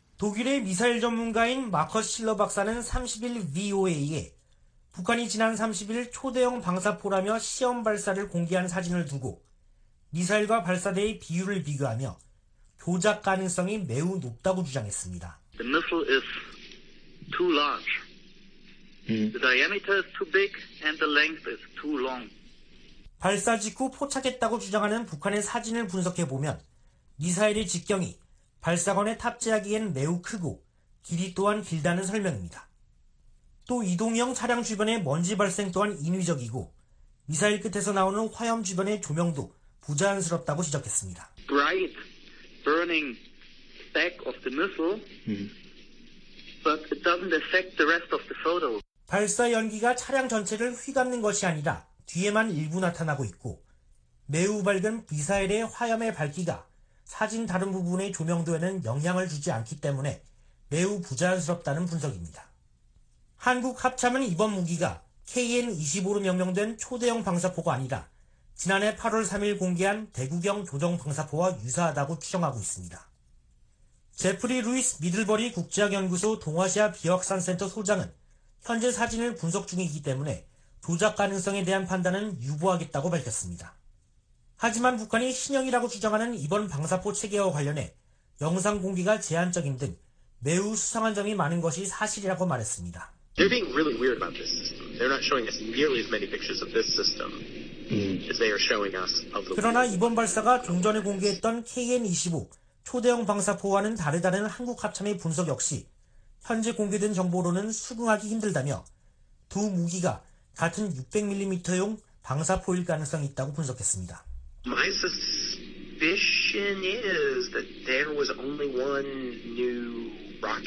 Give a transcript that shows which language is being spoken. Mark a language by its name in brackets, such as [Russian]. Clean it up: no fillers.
[Korean] 독일의 미사일 전문가인 마커 실러 박사는 30일 VOA에 북한이 지난 30일 초대형 방사포라며 시험 발사를 공개한 사진을 두고 미사일과 발사대의 비율을 비교하며 조작 가능성이 매우 높다고 주장했습니다. [English] The missile is too large. The diameter is too big and the length is too long. [Korean] 발사 직후 포착했다고 주장하는 북한의 사진을 분석해보면 미사일의 직경이 발사관에 탑재하기엔 매우 크고 길이 또한 길다는 설명입니다. 또 이동형 차량 주변의 먼지 발생 또한 인위적이고 미사일 끝에서 나오는 화염 주변의 조명도 부자연스럽다고 지적했습니다. [English] Bright burning speck of the missile, but it doesn't affect the rest of the photo. [Korean] 발사 연기가 차량 전체를 휘감는 것이 아니라 뒤에만 일부 나타나고 있고 매우 밝은 미사일의 화염의 밝기가 사진 다른 부분의 조명도에는 영향을 주지 않기 때문에 매우 부자연스럽다는 분석입니다. 한국 합참은 이번 무기가 KN-25로 명명된 초대형 방사포가 아니라 지난해 8월 3일 공개한 대구경 조정 방사포와 유사하다고 추정하고 있습니다. 제프리 루이스 미들버리 국제학연구소 동아시아 비확산센터 소장은 현재 사진을 분석 중이기 때문에 조작 가능성에 대한 판단은 유보하겠다고 밝혔습니다. 하지만 북한이 신형이라고 주장하는 이번 방사포 체계와 관련해 영상 공개가 제한적인 등 매우 수상한 점이 많은 것이 사실이라고 말했습니다. [English] They're being really weird about this. They're not showing us nearly as many pictures of this system as they are showing us of the. [Korean] 그러나 이번 발사가 좀 전에 공개했던 KN-25 초대형 방사포와는 다르다는 한국 합참의 분석 역시 현재 공개된 정보로는 수긍하기 힘들다며 두 무기가 같은 600mm용 방사포일 가능성이 있다고 분석했습니다. [English] My suspicion is that there was only one new